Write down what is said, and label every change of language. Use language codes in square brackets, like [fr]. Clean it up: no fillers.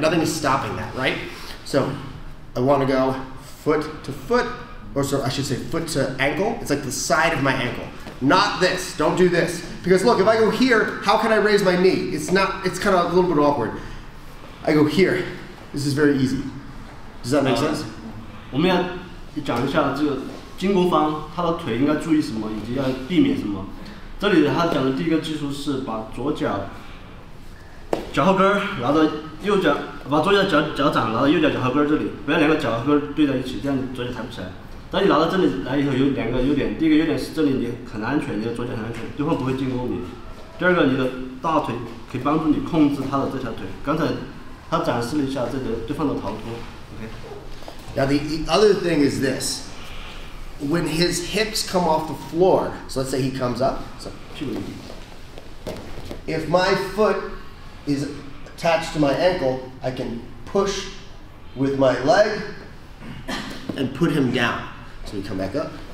[en] Nothing is stopping that, right? So I want to go. Foot to foot, or sorry, I should say foot to ankle. It's like the side of my ankle. Not this, don't do this. Because look, if I go here, how can I raise my knee? It's kind of a little bit awkward. I go here, this is very easy. Does that make sense? [zh] 我们要讲一下这个进攻方他的腿应该注意什么以及要避免什么。这里他讲的第一个技术是把左脚脚后跟拿到右脚，把左脚 脚掌拿到右脚脚后跟这里，不要两个脚后跟对在一起，这样左脚抬不起来。当你拿到这里来以后，有两个优点。第一个优点是这里你很安全，你的左脚很安全，对方不会进攻你。第二个，你的大腿可以帮助你控制他的这条腿。刚才他展示了一下这个对方的逃脱。 OK。 [en] Now the other thing is this: when his hips come off the floor, so let's say he comes up, if my foot is attached to my ankle, I can push with my leg and put him down. So we come back up.